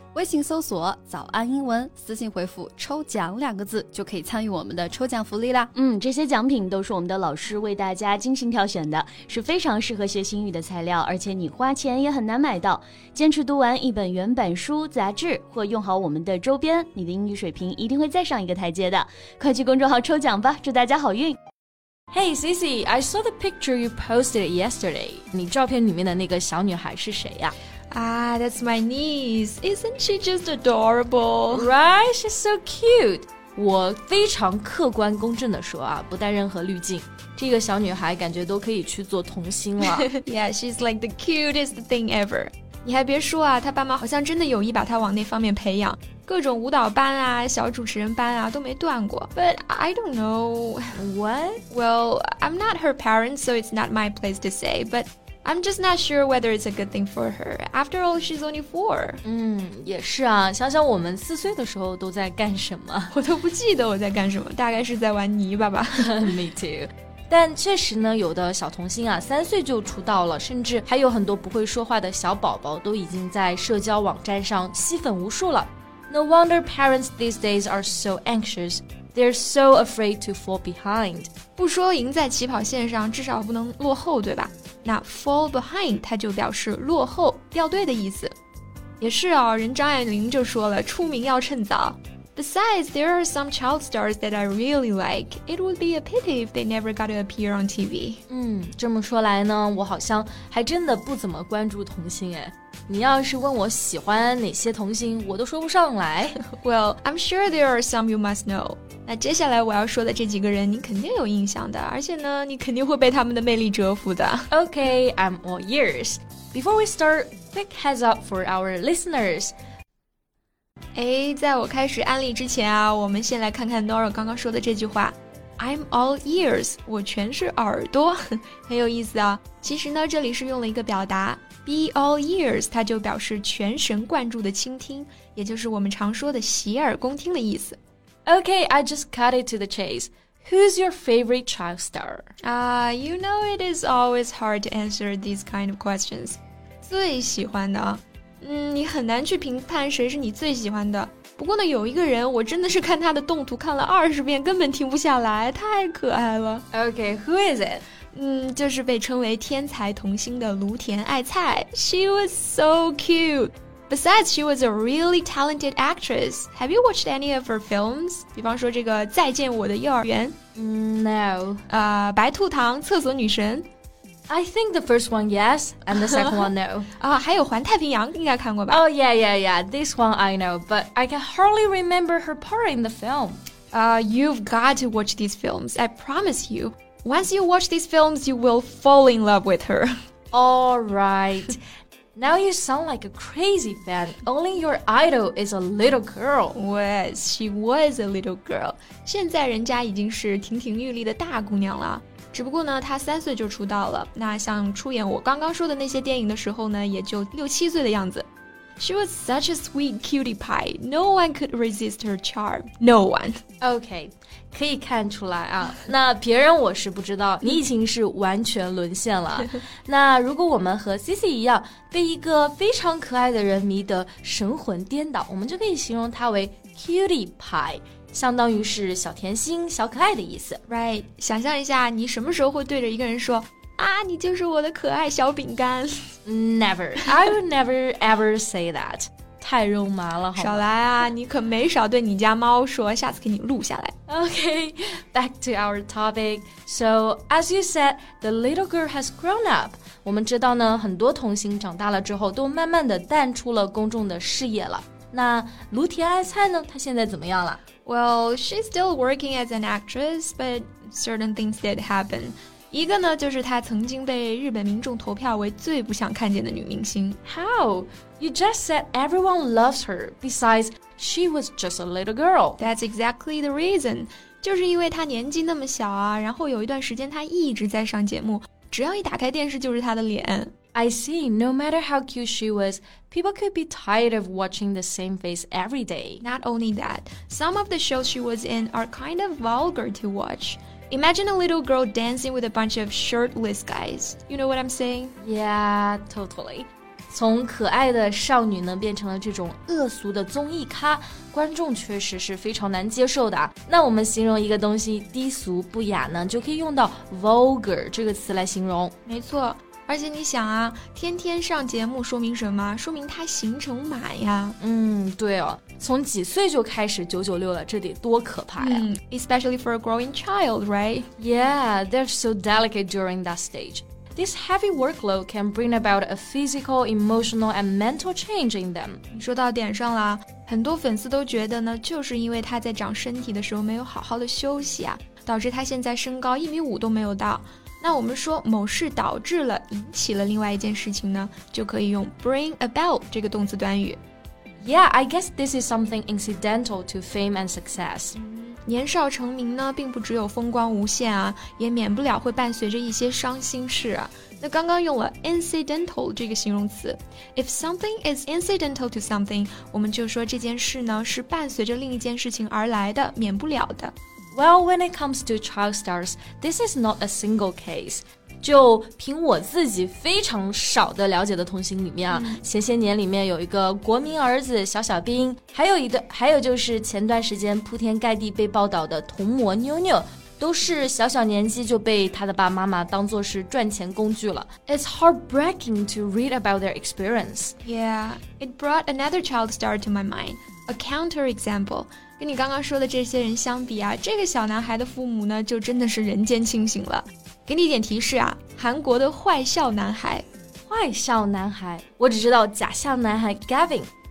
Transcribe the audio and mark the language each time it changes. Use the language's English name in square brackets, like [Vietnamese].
[Chinese] 微信搜索早安英文，私信回复抽奖两个字，就可以参与我们的抽奖福利啦。嗯，这些奖品都是我们的老师为大家精心挑选的，是非常适合学习英语的材料，而且你花钱也很难买到。坚持读完一本原版书、杂志或用好我们的周边，你的英语水平一定会再上一个台阶的。快去公众号抽奖吧，祝大家好运。 [English] Hey, Cici, I saw the picture you posted yesterday. [Chinese] 你照片里面的那个小女孩是谁呀？ [English] Ah, that's my niece. Isn't she just adorable? Right, she's so cute. [Chinese] 我非常客观公正地说啊，不带任何滤镜，这个小女孩感觉都可以去做童星了。 [English] Yeah, she's like the cutest thing ever. [Chinese] 你还别说啊，她爸妈好像真的有意把她往那方面培养，各种舞蹈班啊，小主持人班啊，都没断过。 [English] But I don't know. What? Well, I'm not her parents, so it's not my place to say, but... I'm just not sure whether it's a good thing for her. After all, she's only four. [Chinese] 也是啊，想想我们四岁的时候都在干什么。我都不记得我在干什么，大概是在玩泥巴吧。 [English] Me too. [Chinese] 但确实呢，有的小童星啊，三岁就出道了，甚至还有很多不会说话的小宝宝都已经在社交网站上吸粉无数了。 [English] No wonder parents these days are so anxious. They're so afraid to fall behind. [Chinese] 不说赢在起跑线上，至少不能落后，对吧？那 [English] fall behind [Chinese] 它就表示落后掉队的意思。也是哦，人张爱玲就说了，出名要趁早。 [English] Besides, there are some child stars that I really like. It would be a pity if they never got to appear on TV. [Chinese] 这么说来呢，我好像还真的不怎么关注童星哎。你要是问我喜欢哪些童星，我都说不上来。 [English] Well, I'm sure there are some you must know. [Chinese] 那接下来我要说的这几个人你肯定有印象的，而且呢你肯定会被他们的魅力折服的。 [English] OK, I'm all ears. Before we start, quick heads up for our listeners. [Chinese] 在我开始案例之前啊，我们先来看看 Nora 刚刚说的这句话。 [English] I'm all ears, [Chinese] 我全是耳朵。很有意思啊，其实呢这里是用了一个表达 [English] be all ears, [Chinese] 它就表示全神贯注的倾听，也就是我们常说的洗耳恭听的意思。 [English] Okay, I just cut it to the chase. Who's your favorite child star? You know it is always hard to answer these kind of questions. [Chinese] 最喜欢的？你很难去评判谁是你最喜欢的。不过呢，有一个人，我真的是看他的动图看了20遍，根本停不下来，太可爱了。 [English] Okay, who is it? [Chinese] 就是被称为天才童星的芦田爱菜。 [English] She was so cute. Besides, she was a really talented actress. Have you watched any of her films? [Chinese] 比方说这个《再见我的幼儿园》。 [English] No. [Chinese] 白兔糖、厕所女神。 [English] I think the first one, yes, and the second one, no. [Chinese] 还有《环太平洋》应该看过吧。 [English] Oh, yeah, yeah, yeah. This one I know, but I can hardly remember her part in the film. You've got to watch these films, I promise you. Once you watch these films, you will fall in love with her. All right. Now you sound like a crazy fan. Only your idol is a little girl. Yes, she was a little girl. [Chinese] 现在人家已经是亭亭玉立的大姑娘了。只不过呢，她三岁就出道了。那像出演我刚刚说的那些电影的时候呢，也就六七岁的样子。 [English] She was such a sweet cutie pie. No one could resist her charm. No one. [Chinese] Okay, 可以看出来啊。那别人我是不知道，你已经是完全沦陷了。那如果我们和 Cici 一样，被一个非常可爱的人迷得神魂颠倒，我们就可以形容他为 [English] cutie pie. [Chinese] 相当于是小甜心、小可爱的意思 [English] ，right？ [Chinese] 想象一下，你什么时候会对着一个人说：“啊，你就是我的可爱小饼干 [English] ？”Never, I will never ever say that. [Chinese] 太肉麻了，少来啊！你可没少对你家猫说，下次给你录下来。 [English] Okay, back to our topic. So as you said, the little girl has grown up. [Chinese] 我们知道呢，很多童星长大了之后，都慢慢的淡出了公众的视野了。那芦田爱菜呢？她现在怎么样了？ [English] Well, she's still working as an actress, but certain things did happen. [Chinese] 一个呢，就是她曾经被日本民众投票为最不想看见的女明星。 [English] How? You just said everyone loves her. Besides, she was just a little girl. That's exactly the reason. [Chinese] 就是因为她年纪那么小啊，然后有一段时间她一直在上节目，只要一打开电视就是她的脸。 [English] I see. No matter how cute she was, people could be tired of watching the same face every day. Not only that, some of the shows she was in are kind of vulgar to watch. Imagine a little girl dancing with a bunch of shirtless guys. You know what I'm saying? Yeah, totally. [Chinese] 从可爱的少女呢变成了这种恶俗的综艺咖，观众确实是非常难接受的。那我们形容一个东西低俗不雅呢，就可以用到 vulgar 这个词来形容。没错，而且你想啊，天天上节目说明什么？说明他行程满呀。嗯，对哦，从几岁就开始996了，这得多可怕呀。 [English] Especially for a growing child, right? Yeah, they're so delicate during that stage. This heavy workload can bring about a physical, emotional, and mental change in them. [Chinese] 你说到点上了，很多粉丝都觉得呢，就是因为他在长身体的时候没有好好的休息啊，导致他现在身高1.5米都没有到。那我们说某事导致了，引起了另外一件事情呢，就可以用 [English] bring about [Chinese] 这个动词短语。 [English] Yeah, I guess this is something incidental to fame and success. [Chinese] 年少成名呢并不只有风光无限啊，也免不了会伴随着一些伤心事啊。那刚刚用了 incidental 这个形容词， [English] If something is incidental to something， [Chinese] 我们就说这件事呢是伴随着另一件事情而来的，免不了的。 [English] Well, when it comes to child stars, this is not a single case. [Chinese] 就凭我自己非常少的了解的童星里面啊，前些年里面有一个国民儿子小小兵，还有就是前段时间铺天盖地被报道的童模妞妞，都是小小年纪就被他的爸妈妈当作是赚钱工具了。 [English] It's heartbreaking to read about their experience. Yeah, it brought another child star to my mind. A counter example. [Chinese] 跟你刚刚说的这些人相比啊，这个小男孩的父母呢就真的是人间清醒了。给你一点提示啊，韩国的坏笑男孩。坏笑男孩，我只知道假笑男孩 Gavin。